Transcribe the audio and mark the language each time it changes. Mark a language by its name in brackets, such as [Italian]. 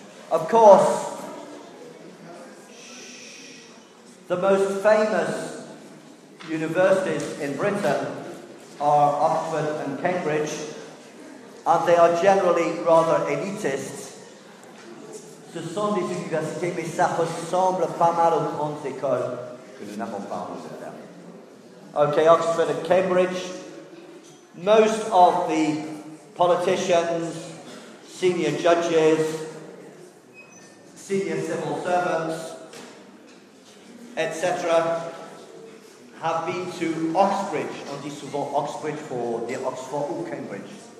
[English] Of course, the most famous universities in Britain are Oxford and Cambridge, and they are generally rather elitist. [French] Ce sont des universités, mais ça ressemble pas mal aux grandes écoles que nous n'avons pas en Angleterre. [English] Okay, Oxford and Cambridge. Most of the politicians, senior judges, senior civil servants, etc., have been to Oxbridge. [French] On dit souvent Oxbridge [English] for the Oxford or Cambridge.